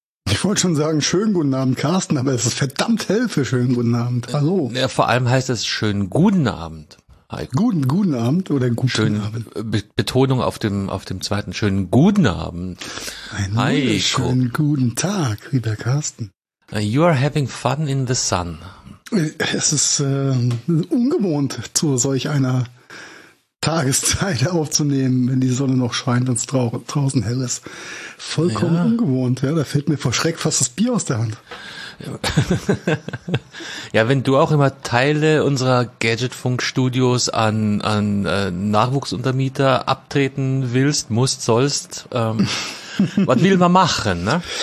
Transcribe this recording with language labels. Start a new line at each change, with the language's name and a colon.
German: Ich wollte schon sagen, schönen guten Abend, Carsten, aber es ist verdammt hell für schönen guten Abend. Hallo. Ja, vor allem heißt es schönen guten Abend, Heiko. Guten Abend oder guten schönen Abend. Betonung auf dem zweiten schönen guten Abend. Einen wunderschönen guten Tag, lieber Carsten.
English: You are having fun in the sun.
German: Es ist ungewohnt, zu solch einer Tageszeit aufzunehmen, wenn die Sonne noch scheint und es draußen hell ist. Vollkommen ungewohnt, ja. Da fällt mir vor Schreck fast das Bier aus der Hand. Ja, wenn du auch immer Teile unserer Gadgetfunk-Studios an Nachwuchsuntermieter abtreten willst, musst, sollst, was will man machen, ne?